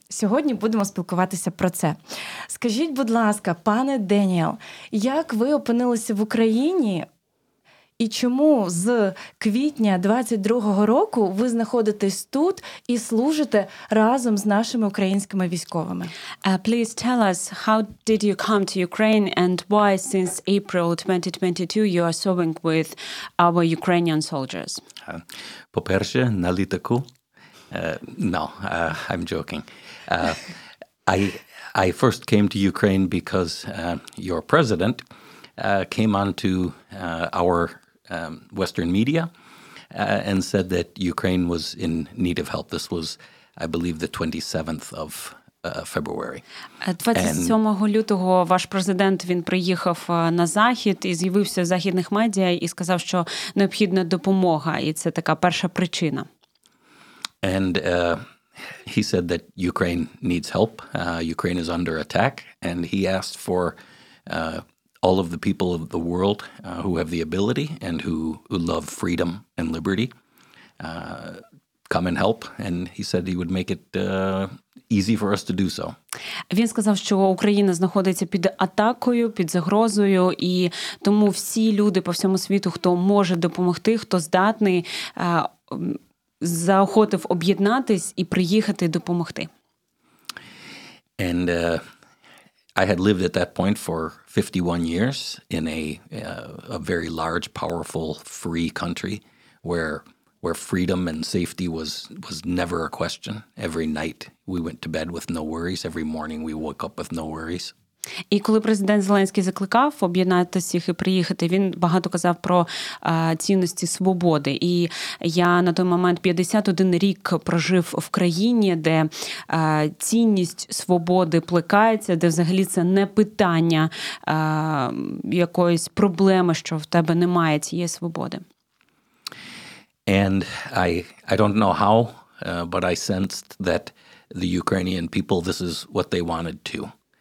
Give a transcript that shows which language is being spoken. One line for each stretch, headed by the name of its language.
Ukrainian: Сьогодні будемо спілкуватися про це. Скажіть, будь ласка, пане Деніел, як ви опинилися в Україні? І чому з квітня 22-го року ви знаходитесь тут і служите разом з нашими українськими військовими?
English: Please tell us, how did you come to Ukraine and why since April 2022 you are serving with our Ukrainian soldiers?
Ukrainian: По-перше, на літаку?
English: No, I'm joking. I first came to Ukraine because your president came on to our Western media and said that Ukraine was in need of help. This was, I believe, the 27th of February.
Ukrainian: 27 лютого ваш президент, він приїхав на Захід і з'явився в західних медіа і сказав, що необхідна допомога, і це така перша причина.
English: And he said that Ukraine needs help. Ukraine is under attack, and he asked for all of the people of the world who have the ability and who love freedom and liberty come and help, and he said he would make it easy for us to do so.
Ukrainian: Він сказав, що Україна знаходиться під атакою, під загрозою, і тому всі люди по всьому світу, хто може допомогти, хто здатний, заохотив об'єднатись і приїхати допомогти.
English: And I had lived at that point for 51 years in a very large, powerful, free country where freedom and safety was never a question. Every night we went to bed with no worries. Every morning we woke up with no worries.
Ukrainian: І коли президент Зеленський закликав об'єднати всіх і приїхати, він багато казав про цінності свободи. І я на той момент 51 рік прожив в країні, де цінність свободи плекається, де взагалі це не питання якоїсь проблеми, що в тебе немає цієї свободи.
English: And I don't know how, but I sensed that the Ukrainian people, this is what they wanted to.